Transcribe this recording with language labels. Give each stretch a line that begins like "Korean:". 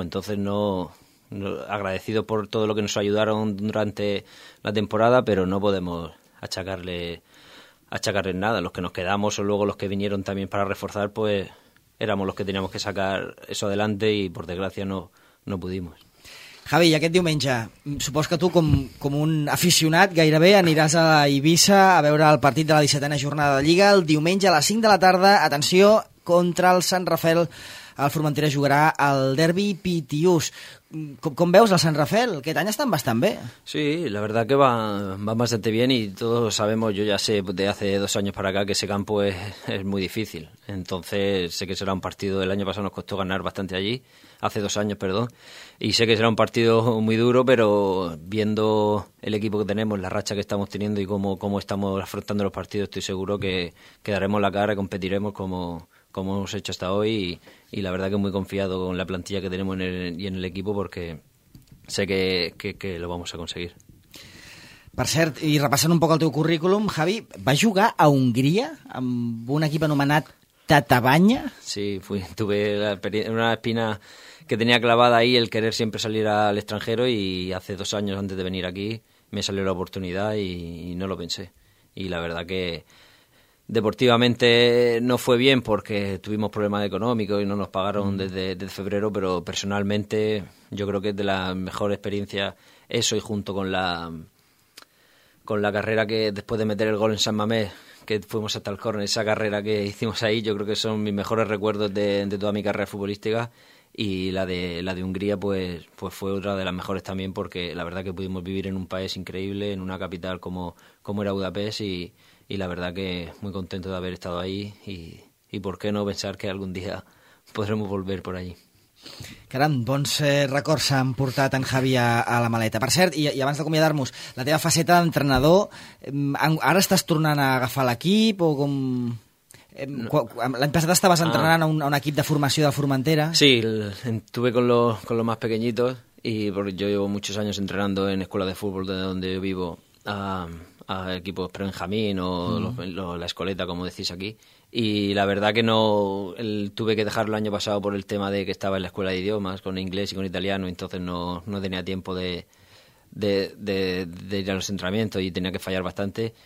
Spanish: Entonces no agradecido por todo lo que nos ayudaron durante la temporada, pero no podemos achacarle nada. Los que nos quedamos o luego los que vinieron también para reforzar, pues éramos los que teníamos que sacar eso adelante y por desgracia no pudimos.
Catalan: Javi, aquest diumenge, supos que tu, com un aficionat, gairebé aniràs a Eivissa a veure el partit de la 17a jornada de Lliga. El diumenge a les 5 de la tarda, atenció, contra el Sant Rafel, el Formentera jugarà el derbi Pitiús. Com veus el Sant Rafel? Aquest any estan bastant bé.
Spanish: Sí, la verdad que va bastante bien y todos sabemos, yo ya sé de hace dos años para acá, que ese campo es muy difícil. Entonces, sé que será un partido, el año pasado nos costó ganar bastante allí, hace dos años, perdón, y sé que será un partido muy duro, pero viendo el equipo que tenemos, la racha que estamos teniendo y cómo estamos afrontando los partidos, estoy seguro que daremos la cara, competiremos como hemos hecho hasta hoy y la verdad que muy confiado con la plantilla que tenemos en el equipo, porque sé que lo vamos a conseguir.
Catalan: Per cert, i repassant un poc el teu currículum, Javi, vas jugar a Hongria amb un equip anomenat Tatabanya?
Spanish: Sí, tuve una espina que tenía clavada ahí el querer siempre salir al extranjero y hace dos años antes de venir aquí me salió la oportunidad y no lo pensé. Y la verdad que deportivamente no fue bien porque tuvimos problemas económicos y no nos pagaron desde febrero, pero personalmente yo creo que es de la mejor experiencia eso, y junto con la carrera que después de meter el gol en San Mamés, que fuimos hasta el córner, esa carrera que hicimos ahí, yo creo que son mis mejores recuerdos de toda mi carrera futbolística. Y la de Hungría pues fue otra de las mejores también, porque la verdad que pudimos vivir en un país increíble, en una capital como era Budapest, y la verdad que muy contento de haber estado ahí, y por qué no pensar que algún día podremos volver por allí.
Catalan: Caram, bons records s'han portat en Javi a la maleta. Per cert, i abans d'acomiadar-nos, la teva faceta d'entrenador, ara estàs tornant a agafar l'equip o com... No. L'any passat estaves entrenant a un equip de formació de Formentera.
Spanish: Sí, estuve con los más pequeñitos, y porque yo llevo muchos años entrenando en escuela de fútbol de donde yo vivo, a equipos pre-benjamín o la escoleta, como decís aquí. Y la verdad que no, tuve que dejarlo el año pasado por el tema de que estaba en la escuela de idiomas con inglés y con italiano, entonces no tenía tiempo de ir a los entrenamientos y tenía que fallar bastante.